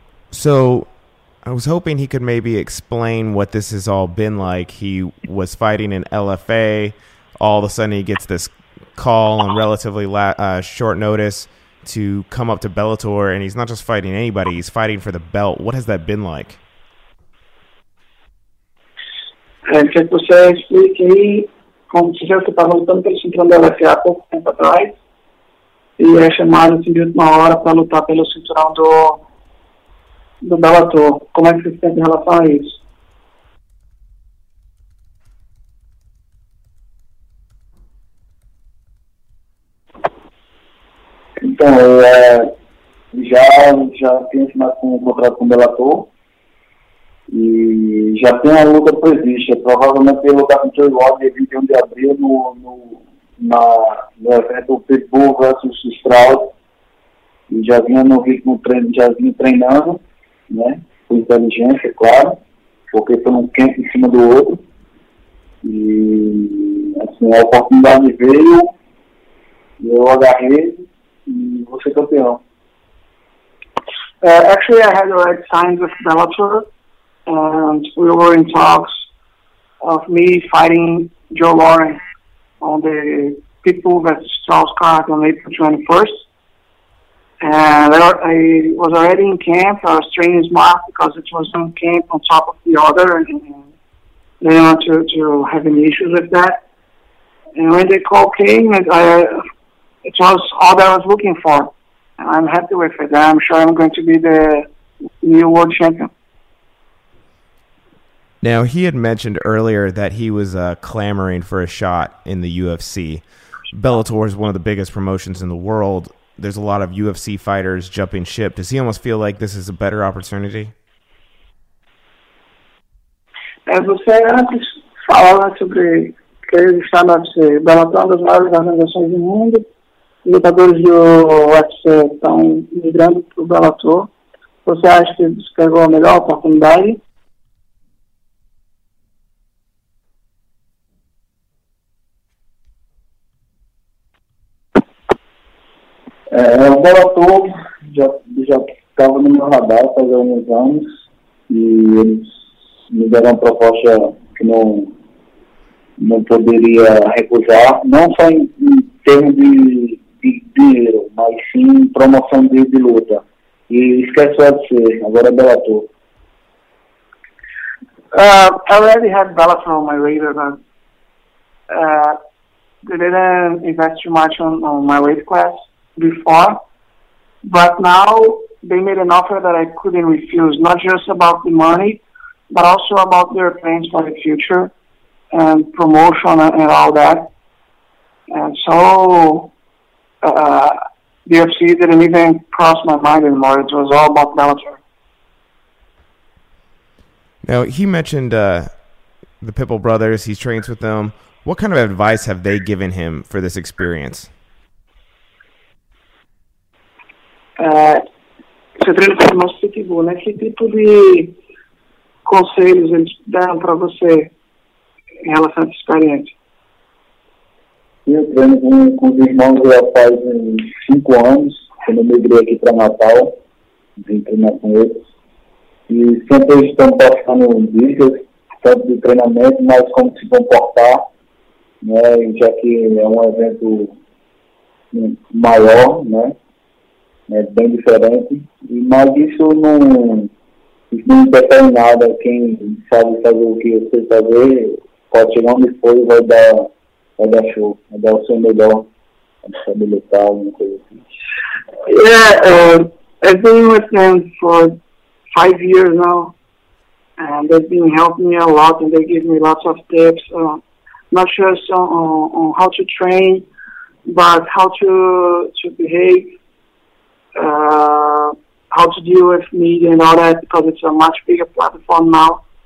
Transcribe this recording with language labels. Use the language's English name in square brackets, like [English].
[English] So, I was hoping he could maybe explain what this has all been like. He was fighting in LFA, all of a sudden he gets this call on relatively short notice to come up to Bellator, and he's not just fighting anybody, he's fighting for the belt. What has that been like? [Portuguese] Como você explica aí, como você já estava lutando pelo cinturão da UFC há pouco tempo atrás, e é chamado assim, de última hora para lutar pelo cinturão do Bellator. Como é que você se sente em relação a isso? Então, já tenho assinado com o contrato com o Bellator. E já tem a luta prevista. Provavelmente ele lutar com o Joey Wall dia 21 de abril no evento Pitbull vs Stroud. E já vinha no ritmo treino, já vinha treinando, né? Com inteligência, claro. Porque foi um camp em cima do outro. E assim, a oportunidade veio. E eu agarrei e vou ser campeão. [English] Actually I had already signed with Bellator. And we were in talks of me fighting Joe Lauren on the Pitbull vs. Strauss card on April 21st. And I was already in camp. I was training smart because it was one camp on top of the other. And they didn't want to have any issues with that. And when the call came, it was all that I was looking for. And I'm happy with it. I'm sure I'm going to be the new world champion. Now, he had mentioned earlier that he was clamoring for a shot in the UFC. Bellator is one of the biggest promotions in the world. There's a lot of UFC fighters jumping ship. Does he almost feel like this is a better opportunity? As you said, I just [Portuguese] falar sobre que ele está no UFC. Bellator é uma das maiores organizações do mundo. Lutadores do UFC estão migrando para o Bellator. Você acha que ele pegou a melhor oportunidade? O Bellator já estava no meu radar faz alguns anos e eles me deram uma proposta que não poderia recusar, não só em termos de dinheiro, mas sim promoção de luta. E esquece de ser, agora é Bellator. [English] I already had Bellator on my radar, but they didn't invest too much on my weight class before, but now they made an offer that I couldn't refuse, not just about the money, but also about their plans for the future and promotion and all that. And so the UFC didn't even cross my mind anymore. It was all about Bellator. Now, he mentioned the Pitbull brothers. He trains with them. What kind of advice have they given him for this experience? [Portuguese] Você treina com o nosso Pitbull, né? Que tipo de conselhos eles deram para você em relação a essa experiência? Eu treino com os irmãos já faz 5 anos, quando eu migrei aqui para Natal, vim treinar com eles. E sempre eles estão passando dicas, tanto de treinamento, mas como se comportar, né? Já que é um evento maior, né? É bem diferente, mas isso não depende nada. Quem sabe fazer o que você fazer, pode chegar onde for e vai dar show, vai dar o seu melhor, sabe lutar, alguma coisa assim. [English] Yeah, I've been with them for 5 years now, and they've been helping me a lot, and they give me lots of tips. Not sure so on how to train, but how to behave, how to deal with media and all that, because it's a much bigger platform now.